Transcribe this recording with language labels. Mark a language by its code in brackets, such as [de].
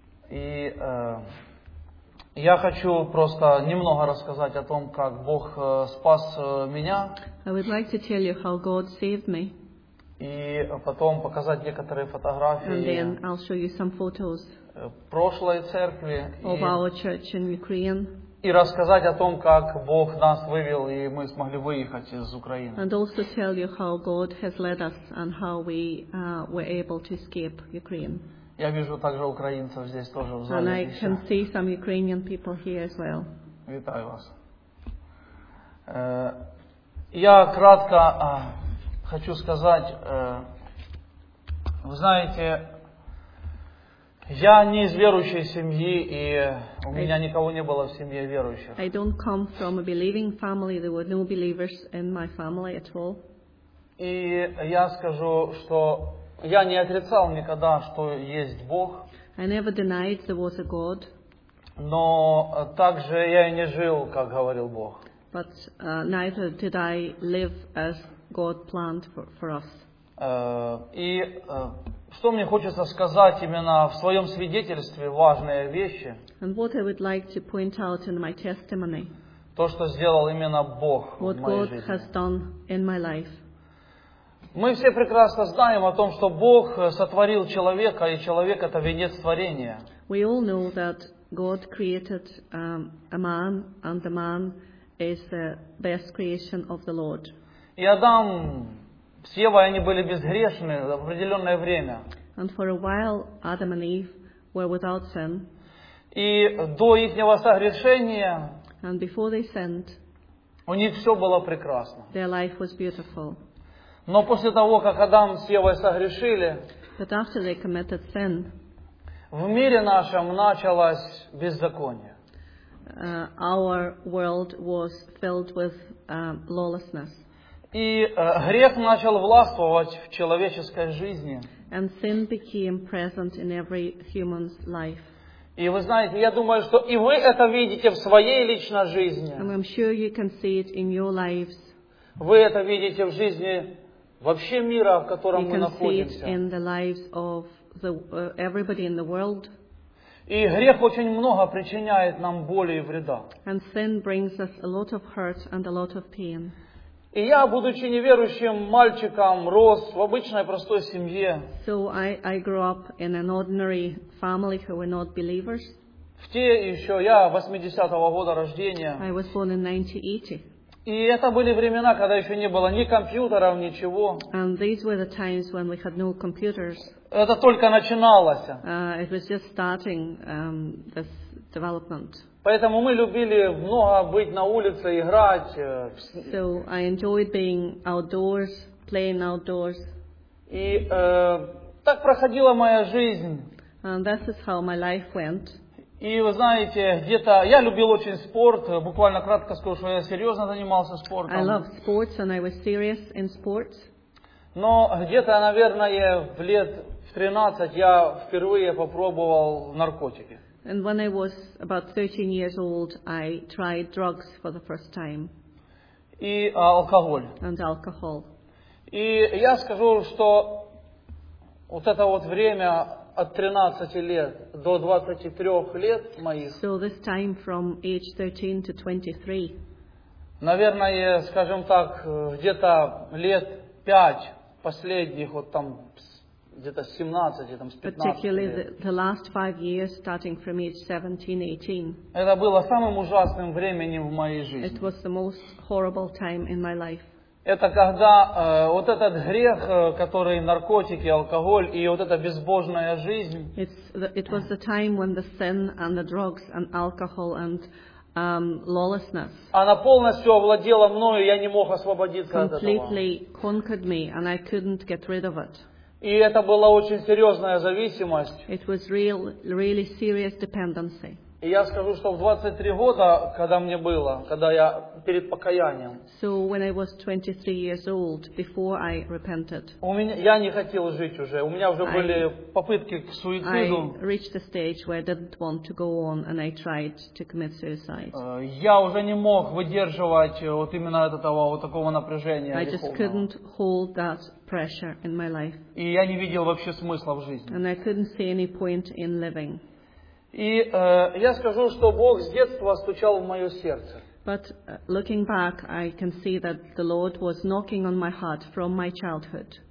[ru] И я хочу просто немного рассказать о том, как Бог спас меня. [en] I would like to tell you how God saved me. [ru] И потом показать некоторые фотографии. [en] And then I'll show you some photos. [ru] Прошлой церкви. [en] Of our church in Ukraine. [ru] И рассказать о том, как Бог нас вывел, и мы смогли выехать из Украины. [en] And also tell you how God has led us and how we were able to escape Ukraine. [ru] Я вижу также украинцев здесь тоже в зале. [en] And I can see some Ukrainian people here as well. [uk] Витаю вас. [ru] Я кратко хочу сказать, вы знаете, я не из верующей семьи, и у меня никого не было в семье верующих. [en] I don't come from a believing family. There were no believers in my family at all. [ru] И я скажу, что я не отрицал никогда, что есть Бог. [en] I never denied there was a God. [ru] Но также я и не жил, как говорил Бог. [en] But neither did I live as God planned for us. [ru] Что мне хочется сказать именно в своем свидетельстве, важные вещи. [en] And what I would like to point out in my testimony. [ru] То, что сделал именно Бог в моей [en] God [ru] жизни. [en] What God has done in my life. [ru] Мы все прекрасно знаем о том, что Бог сотворил человека, и человек это венец творения. [en] We all know that God created a man, and the man is the best creation of the Lord. [ru] И Адам с Евой они были безгрешны в определенное время. [en] And for a while Adam and Eve were without sin. [ru] И до ихнего согрешения. [en] And before they sinned. [ru] У них все было прекрасно. [en] Their life was beautiful. [ru] Но после того, как Адам с Евой согрешили, [en] But after they committed sin, [ru] в мире нашем началось беззаконие. [en] Our world was filled with lawlessness. [ru] И грех начал властвовать в человеческой жизни. [en] And sin became present in every human's life. [ru] И вы знаете, я думаю, что и вы это видите в своей личной жизни. [en] And I'm sure you can see it in your lives. [ru] Вы это видите в жизни вообще мира, в котором [en] you [ru] мы находимся. [en] See it in the lives of the, everybody in the world. [ru] И грех очень много причиняет нам боли и вреда. [en] And sin brings us a lot of hurt and a lot of pain. [ru] И я, будучи неверующим мальчиком, рос в обычной простой семье. [en] So I grew up in an ordinary family who were not believers. [ru] В те еще, я 80-го года рождения. [en] I was born in 1980. [ru] И это были времена, когда еще не было ни компьютеров, ничего. [en] And these were the times when we had no computers. [ru] Это только начиналось. [en] It was just starting this development. [ru] Поэтому мы любили много быть на улице, играть. [en] So I enjoyed being outdoors, playing outdoors. [ru] И так проходила моя жизнь. [en] And this is how my life went. [ru] И вы знаете, где-то я любил очень спорт, буквально кратко скажу, что я серьезно занимался спортом. [en] I loved sports and I was serious in sports. [ru] Но где-то, наверное, в лет в 13 я впервые попробовал наркотики. [en] And when I was about 13 years old, I tried drugs for the first time. [ru] И алкоголь. [en] And alcohol. [ru] И я скажу, что вот это вот время от 13 лет до 23 лет моих. [en] So this time from age 13 to 23. [ru] Наверное, скажем так, где-то лет 5 последних вот там где-то 17, там, с 15 [en] Particularly [ru] лет. [en] The last 5 years starting from age 17-18. [ru] Это было самым ужасным временем в моей жизни. [en] It was the most horrible time in my life. [ru] Это когда вот этот грех, который наркотики, алкоголь и вот эта безбожная жизнь. [en] It was the time when the sin and the drugs and alcohol and lawlessness. [ru] Она полностью овладела мною, я не мог освободиться от этого. [en] Completely conquered me and I couldn't get rid of it. [ru] И это была очень серьезная зависимость. [en] It was really serious dependency. [ru] И я скажу, что в 23 года, когда мне было, когда я перед покаянием, [en] so when I was 23 years old, before I repented, [ru] я не хотел жить уже. У меня уже были попытки к суициду. [en] I reached a stage where I didn't want to go on, and I tried to commit suicide. [ru] Я уже не мог выдерживать вот именно этого вот такого напряжения. [en] I just couldn't hold that pressure in my life. [ru] И я не видел вообще смысла в жизни. [en] And I couldn't see any point in living. [ru] И я скажу, что Бог с детства стучал в мое сердце. [en] But looking back, I can see that the Lord was knocking on my heart from my childhood.